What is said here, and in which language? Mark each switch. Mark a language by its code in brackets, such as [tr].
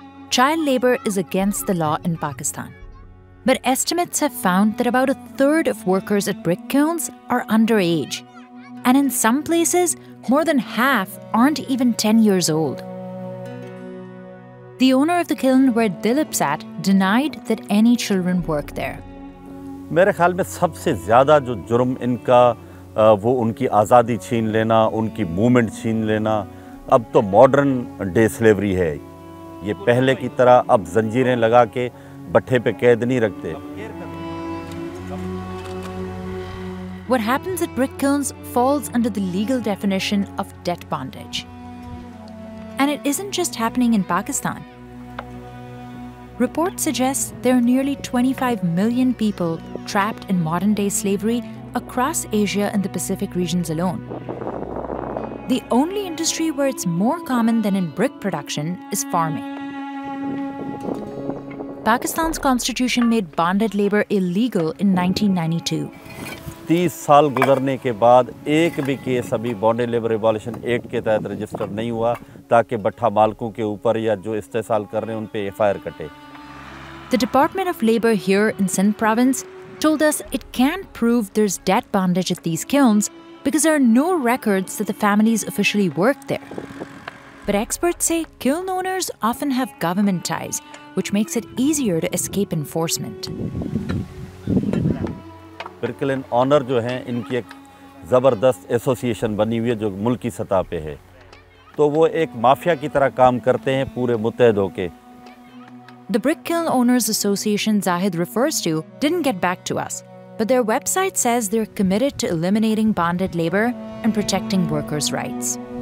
[en] Child labor is against the law in Pakistan. But estimates have found that about a third of workers at brick kilns are underage. And in some places, more than half aren't even 10 years old. The owner of the kiln where Dilip's at denied that any children work there. [hi] मेरे ख्याल में सबसे ज्यादा जो जुर्म इनका वो उनकी आजादी छीन लेना, उनकी मूवमेंट छीन लेना, अब तो मॉडर्न डे स्लेवरी है। ये पहले की तरह अब जंजीरें लगा के बट्ठे पे कैद नहीं रखते। [en] What happens at brick kilns falls under the legal definition of debt bondage. And it isn't just happening in Pakistan. Reports suggest there are nearly 25 million people trapped in modern-day slavery across Asia and the Pacific regions alone. The only industry where it's more common than in brick production is farming. Pakistan's constitution made bonded labor illegal in 1992. [hi] 30 साल गुजरने के बाद एक भी case अभी bonded labour revolution act के तहत register नहीं हुआ ताकि भट्टा मालिकों के ऊपर या जो इस्तेमाल कर रहे हैं उन पे एफआईआर कटे. [en] The Department of Labor here in Sindh province told us it can't prove there's debt bondage at these kilns because there are no records that the families officially work there. But experts say kiln owners often have government ties, which makes it easier to escape enforcement. [hi] Brickland owner जो हैं इनकी एक जबरदस्त association बनी हुई है जो मुल्की सतह पे है तो वो एक माफिया की तरह काम करते हैं पूरे मुत्तहद होके. [en] The brick kiln owners association Zahid refers to didn't get back to us, but their website says they're committed to eliminating bonded labor and protecting workers' rights.